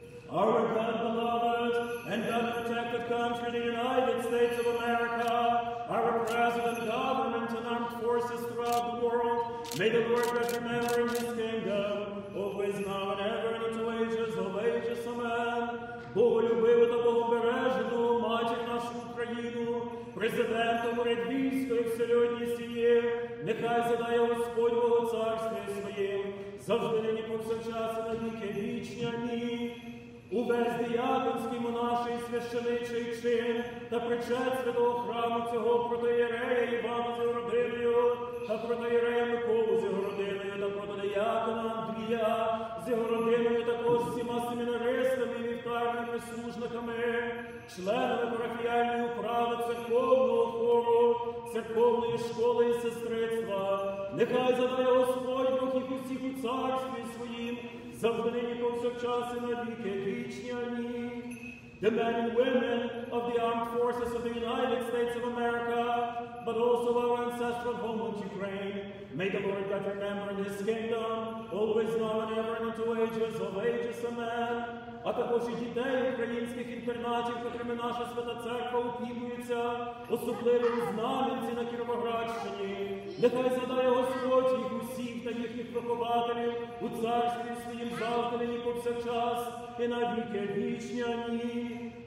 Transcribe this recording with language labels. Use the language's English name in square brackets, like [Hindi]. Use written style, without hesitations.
[English] Our God, beloved, and God protected country, the United States of America, our president, government, and armed forces throughout the world, may the Lord best remember in his kingdom, always, now, and ever, and into ages of ages, amen. [Ukrainian] Бог любивий та Богобережний, матір нашу Україну, президентом Радянської Всесоюзності, нехай задає Господь Бог царствий своїм, завжди, нині, повсякчас, на віки вічні, амінь. Увесь діяконський монаший священичий чин та причет святого храму цього протоєрея Івана з його родиною та протоєрея Миколу з його родиною та протодиякона Андрія з його родиною також всіма семінаристами і вівтарними служниками, членами парафіальної управи церковного хору, церковної школи і сестрицтва. Нехай задає Господь Бог їх усіх у царстві своїм завжди нині повсякчас і навіки вічні, амінь. [English] The men and women of the armed forces of the United States of America, but also our ancestral home of Ukraine, may the Lord God remember in his kingdom, always, now and ever, and into ages of ages, amen. [Ukrainian] А також і дітей українських інтернатів, котрими наша Свята Церква опікується, особливо у Знам'янці на Кіровоградщині. Нехай згадає Господь їх усіх та їхніх вихователів у царстві своїм завтра і повсякчас, і навіки вічні, амінь.